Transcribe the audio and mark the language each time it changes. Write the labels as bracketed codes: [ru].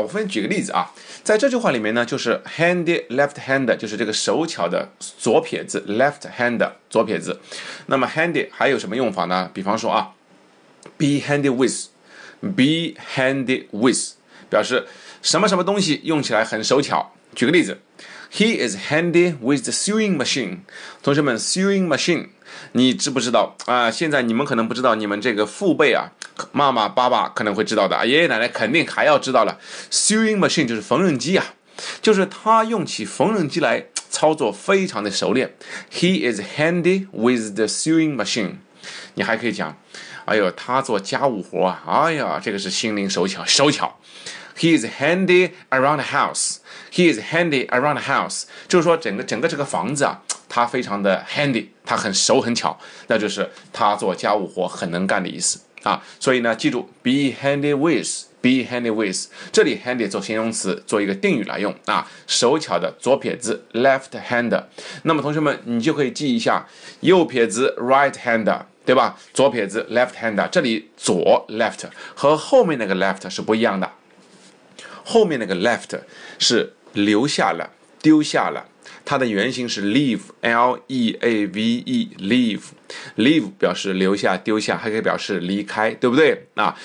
[zh] 我分举个例子啊，在这句话里面呢，就是 handy left hander, 就是这个手巧的左撇子 left hander 左撇子。那么 handy 还有什么用法呢？比方说啊 ，be handy with，be handy with 表示什么什么东西用起来很手巧。举个例子。 [en] He is handy with the sewing machine. [zh] 同学们 ,sewing machine, 你知不知道啊、现在你们可能不知道，你们这个父辈啊，妈妈爸爸可能会知道的，爷爷奶奶肯定还要知道了。 Sewing machine 就是缝纫机啊，就是他用起缝纫机来操作非常的熟练。 [en] He is handy with the sewing machine. [zh] 你还可以讲，哎呦，他做家务活啊，哎呀，这个是心灵手巧手巧。 [en] He is handy around the house. He is handy around the house. [zh] 就是说整个这个房子啊，他非常的 handy, 他很熟很巧，那就是他做家务活很能干的意思啊。所以呢，记住 be handy with, be handy with. 这里 handy 做形容词，做一个定语来用啊，手巧的左撇子 left hander. 那么同学们，你就可以记一下右撇子 right hander. 对吧，左撇子 left hander, 这里左 left 和后面那个 left 是不一样的，后面那个 left 是留下了丢下了，它的原型是 leave, L-E-A-V-E, leave, leave 表示留下丢下，还可以表示离开，对不对啊？